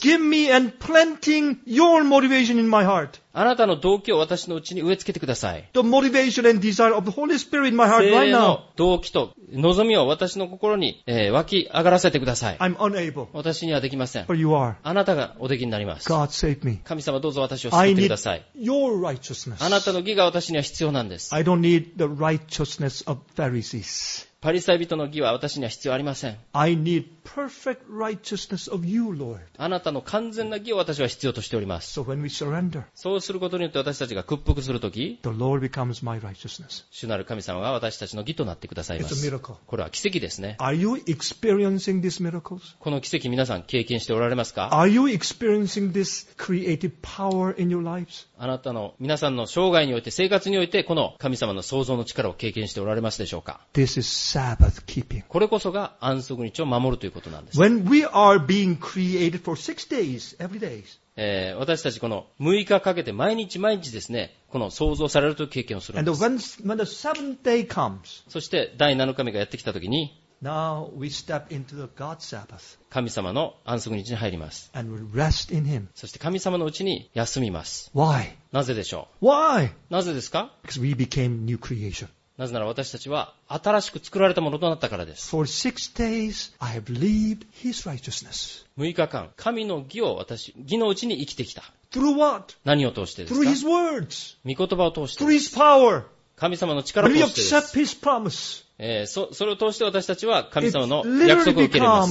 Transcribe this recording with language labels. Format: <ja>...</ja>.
<en>So give me and planting your motivation in my heart.</en> <ja>あなたの動機を私のうちに植え付けてください。</ja> <en>The motivation and desire of the Holy Spirit in my heart right now.</en> <ja>聖霊の動機と望みを私の心に湧き上がらせてください。</ja> <en>I'm unable.</en> <ja>私にはできません。</ja> <en>But you are.</en> <ja>あなたがおできになります。</ja> <en>God save me.</en> <ja>神様どうぞ私を救ってください。</ja> <en>I need your righteousness.</en> <ja>あなたの義が私には必要なんです。</ja> <en>I don't need the righteousness of Pharisees.</en> <ja>パリサイ人の義は私には必要ありません。</ja> <en>I need perfect righteousness of you, Lord.</en> <ja>あなたの完全な義を私は必要としております。</ja> <en>So when we surrender,</en> <ja>そうすることによって私たちが屈服するとき、</ja> <en>the Lord becomes my righteousness.</en> <ja>主なる神様が私たちの義となってくださいます。</ja> <en>It's a miracle.</en> <ja>これは奇跡ですね。</ja> <en>Are you experiencing these miracles?</en> <ja>この奇跡皆さん経験しておられますか?</ja> <en>Are you experiencing this creative power in your lives?</en> <ja>あなたの皆さんの生涯において生活においてこの神様の創造の力を経験しておられますでしょうか?</ja> <en>This isSabbath keeping.</en> <ja>これこそが安息日を守るということなんです。</ja> <en>When we are being created for six days, every day.</en> <ja>私たちこの6日かけて毎日毎日ですね、この創造されるという経験をするんです。</ja> <en>And when the seventh day comes.</en> <ja>そして第7日目がやってきたときに、</ja> <en>Now we step into the God's Sabbath.</en> <ja>神様の安息日に入ります。</ja> <en>And we rest in Him.</en> <ja>そして神様のうちに休みます。</ja> <en>Why?</en> <ja>なぜでしょう</ja> <en>？Why?</en> <ja>なぜですか</ja> <en>？Because we became new creation.</en> <ja>なぜなら私たちは新しく作られたものとなったからです。</ja> <en>For six days, I have lived his righteousness.</en> <ja>6日間、神の義を私、義のうちに生きてきた。</ja> <en>Through what?</en> <ja>何を通してですか</ja> <en>?Through his words.</en> <ja>御言葉を通してです。</ja> <en>Through his power.</en> <ja>神様の力を通してです。</ja> <en>We accept his promise.</en> <ja>それを通して私たちは神様の約束を受け入れます。</ja>